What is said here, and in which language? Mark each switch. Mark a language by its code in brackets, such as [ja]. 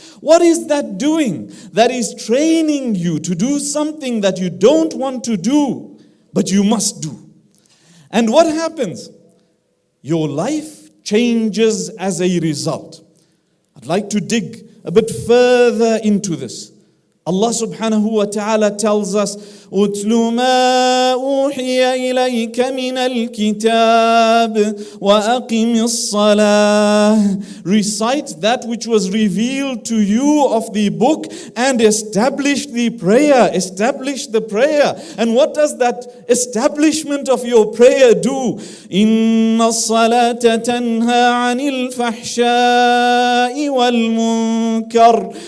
[en] What is that doing that is training you to do something that you don't want to do but you must do? And what happens? Your life changes as a result. I'd like to dig a bit further into this. Allah subhanahu wa ta'ala tells us, [ar] اُتْلُ مَا أُوحِيَ إِلَيْكَ مِنَ الْكِتَابِ وَأَقِمِ الصَّلَاةِ. [en] Recite that which was revealed to you of the book and establish the prayer. Establish the prayer. And what does that establishment of your prayer do? [ar] إِنَّ الصَّلَاةَ تَنْهَى عَنِ الْفَحْشَاءِ وَالْمُنْكَرِ.